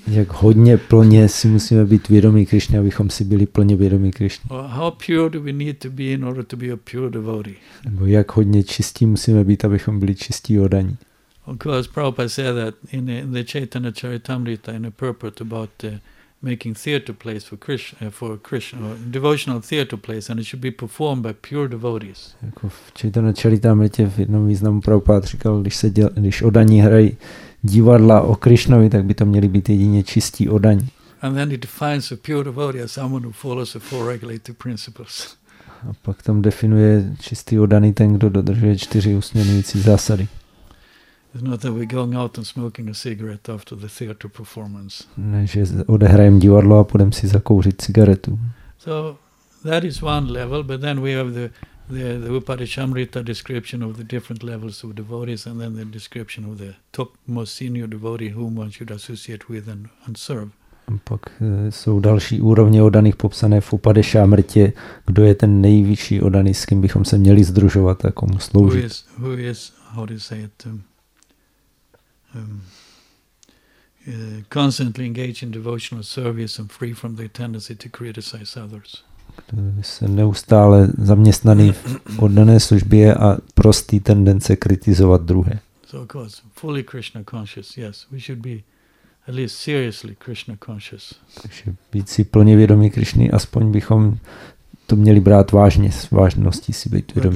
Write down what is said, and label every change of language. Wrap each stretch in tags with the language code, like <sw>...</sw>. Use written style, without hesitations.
<cs>Jak hodně plně si musíme být vědomí Krišny, abychom si byli plně vědomí Krišny?</cs> <en>Or how pure do we need to be in order to be a pure devotee?</en> <cs>Nebo jak hodně čistí musíme být, abychom byli čistí oddaní?</cs> <en>Of course, Prabhupada said that in the Chaitanya Charitamrita, in a purport about making theater plays for Krishna, or devotional theater plays, and it should be performed by pure devotees.</en> <cs>Jako v Chaitanya Charitamritě v jednom významu Prabhupada říkal, když oddaní hrají divadla o Krišnovi, tak by to měli být jedině čistí oddaní.</cs> <en>And then he defines a pure devotee as someone who follows the four regulative principles.</en> <cs>A pak tam definuje čistý oddaný ten, kdo dodržuje čtyři usměrňující zásady.</cs> <en>It's not that we're going out and smoking a cigarette after the theater performance.</en> <cs>Ne, že odehrajeme divadlo a půjdeme si zakouřit cigaretu.</cs> <en>So that is one level, but then we have the Upadeshamrita description of the different levels of devotees, and then the description of the top most senior devotee whom one should associate with and serve.</en> <cs>A pak jsou další úrovně oddaných popsané v Upadeshamritě, kdo je ten nejvyšší oddaný, s kým bychom se měli sdružovat a komu sloužit.</cs> <en>Who is, how do you say it? Constantly engaged in devotional service and free from the tendency to criticize others.</en> <cs>Kdo je neustále zaměstnaný v oddané službě a prostý tendence kritizovat druhé.</cs> <en>So of course, fully Krishna conscious, yes, we should be at least seriously Krishna conscious.</en> <cs>Takže být si plně vědomí Krišny, aspoň bychom to měli brát vážně, s vážností si být vědomí</cs>